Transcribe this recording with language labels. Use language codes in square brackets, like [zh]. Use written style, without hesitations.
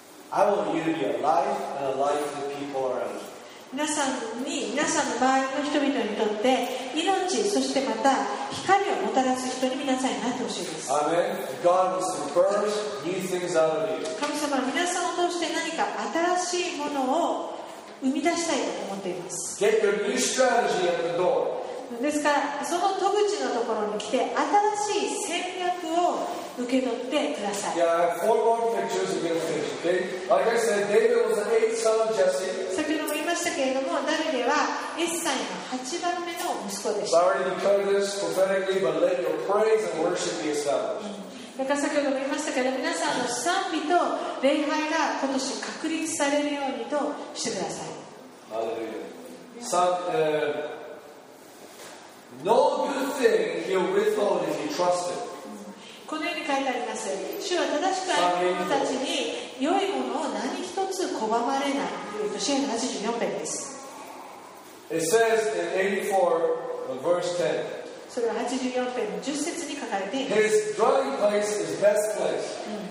[en] I want you to be a life and a life to people around you. [ja] 皆さんの周りの人々にとって命、そしてまた光をもたらす人に皆さんになってほしいです。 [en] Amen. God wants to birth new things out of you. [ja] 神様は皆さんを通して何か新しいものを生み出したいと思っています。 [en] Get your new strategy at the door. [ja] ですからその戸口のところに来て新しい戦略を受け取ってください。 [en] Yeah, four more pictures are going to finish, okay? Like I said, David was the eighth son of Jesse. [ja] 先ほども言いましたけれども、ダビデはエッサイの8番目の息子でした。 [en] Sorry to declare this prophetically, but let your praise and worship be established. [ja] だから先ほども言いましたけど、皆さんの賛美と礼拝が今年確立されるようにとしてください。 [en] Hallelujah. No good thing he'll withhold if you trust him. [ja] このように書いてあります。主は正しく愛する人たちに良いものを何一つ拒まれない。詩篇74編です。 [en] It says in 84, verse 10. [ja] それは84編の10節に書かれています。 [en] His dwelling place is best place.